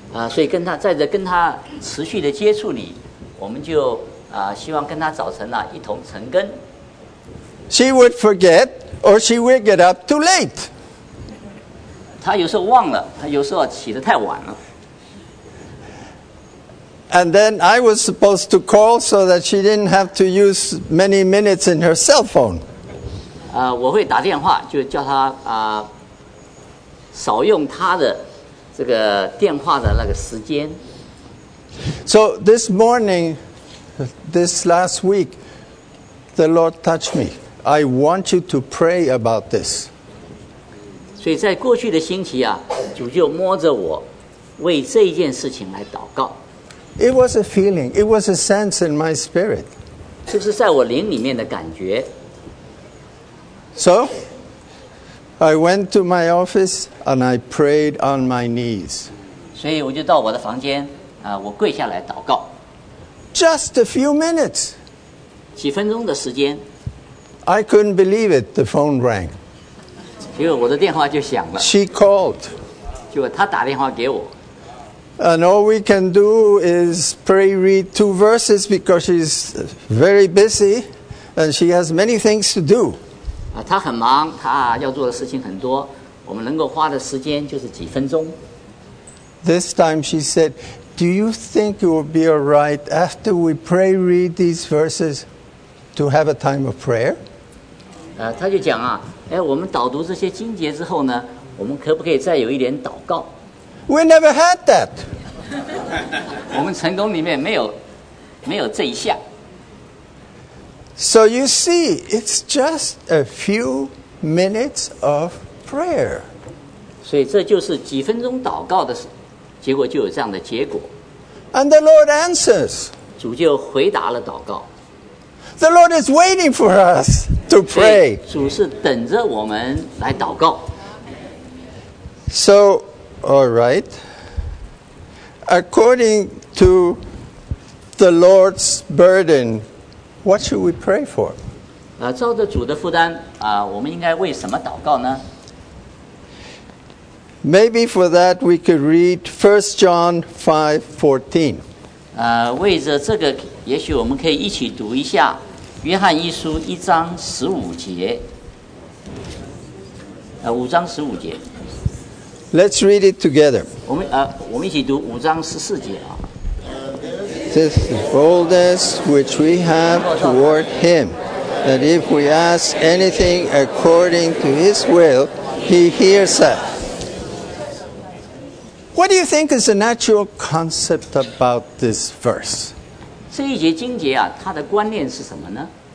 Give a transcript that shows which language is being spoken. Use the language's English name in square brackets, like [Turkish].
[Chinese] 所以跟她在这跟她持续的接触里，我们就希望跟她早晨一同晨更。 [English] She would forget, or she would get up too late. [Chinese] 她有时候忘了，她有时候起得太晚了。 [English] And then I was supposed to call so that she didn't have to use many minutes in her cell phone. [Chinese] 我会打电话，就叫她少用她的这个电话的那个时间。 [English] So this morning, this last week, the Lord touched me. I want you to pray about this. [Chinese] 所以在过去的星期啊，主就摸着我，为这一件事情来祷告。 [English] It was a feeling. It was a sense in my spirit. [Chinese] 这是在我灵里面的感觉。 [English] So, I went to my office and I prayed on my knees. [Chinese] 所以我就到我的房间我跪下来祷告。 [English] Just a few minutes. [Chinese] 几分钟的时间。 [English] I couldn't believe it. The phone rang. [Chinese] 结果我的电话就响了。 [English] She called. [Chinese] 结果她打电话给我。 [English] And all we can do is pray, read two verses because she's very busy and she has many things to do. [Chinese] 她很忙，她要做的事情很多，我们能够花的时间就是几分钟。 [English] This time she said, do you think it would be all right after we pray, read these verses to have a time of prayer? [Chinese] 她就讲啊，哎，我们导读这些经节之后呢，我们可不可以再有一点祷告？ [English] We never had that. [Chinese] 我们成功里面没有这一项。 [English] So you see, it's just a few minutes of prayer. [Chinese] 所以这就是几分钟祷告的结果，就有这样的结果。 [English] And the Lord answers. [Chinese] 主就回答了祷告。 [English] The Lord is waiting for us to pray. [Chinese] 主是等着我们来祷告。 [English] So. All right. According to the Lord's burden, what should we pray for? [Chinese] 照着主的负担啊，我们应该为什么祷告呢？ [English] Maybe for that we could read 1 John 5:14. [Chinese] 为着这个，也许我们可以一起读一下《约翰一书》1:15。 5:15。 [English] Let's read it together. [Chinese] 我们一起读5:14啊。 [English] This is the boldness which we have toward Him, that if we ask anything according to His will, He hears us. What do you think is the natural concept about this verse? [Chinese] 这一节经节啊，它的观念是什么呢？